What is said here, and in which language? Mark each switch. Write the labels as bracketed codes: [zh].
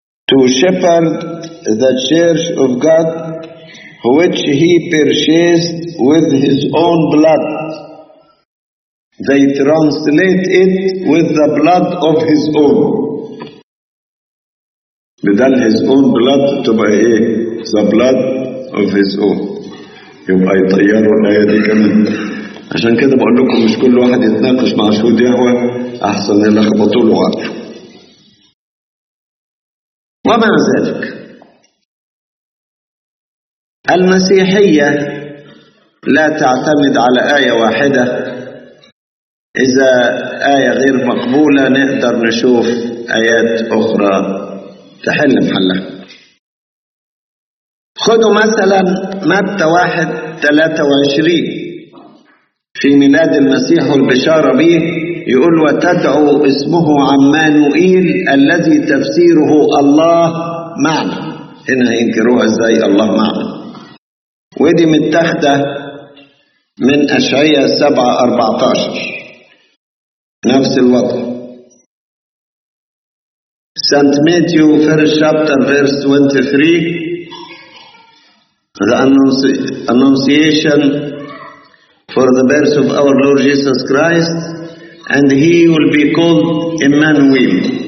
[en] To shepherd the church of God, which he purchased with his own blood. They translate it with the blood of his own. [ar] بدل [en] his own blood [ar] تبقى ايه؟ [en] The blood of his own. [ar] يبقى يطيروا الآية دي كمان. عشان كده بقول لكم مش كل واحد يتناقش مع شهود يهوى، أحسن يلخبطوا له عقله. ومع ذلك المسيحية لا تعتمد على آية واحدة. إذا آية غير مقبولة نقدر نشوف آيات أخرى تحل محلها. خذوا مثلا متى 1:23 في ميلاد المسيح والبشارة به، يقول: وتدعو اسمه عمانوئيل، الذي تفسيره الله معنا. هنا ينكروها ازاي الله معنا؟ ودي متاخدة من أشعياء 7:14 نفس الوضع. [en] سانت ماتيو 1:23 the annunciation for the birth of our Lord Jesus Christ, and he will be called Emmanuel.